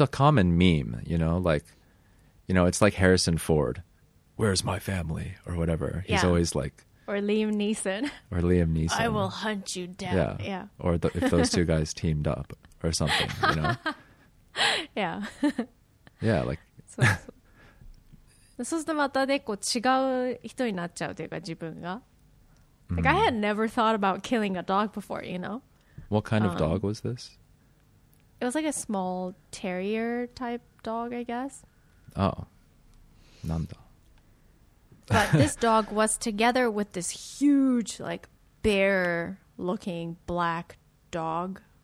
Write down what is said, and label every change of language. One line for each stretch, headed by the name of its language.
English: a common meme, you know, like, you know, it's like Harrison Ford. Where's my family? Or whatever. Yeah. He's always like, Or Liam Neeson. Or Liam Neeson. I will hunt you down. Yeah. yeah. Or if those two guys teamed up or something, you know? yeah. yeah, like...
Japanese: そうそう。そうするとまたね、こう違う人になっちゃうというか、自分が。 Mm-hmm.
English: Like, I had never thought about killing a dog before, you know? What kind of dog was this? It was like a small terrier type dog, I guess.
Japanese: Oh. なんだ?
English: But this dog was together with this huge, like, bear-looking black dog.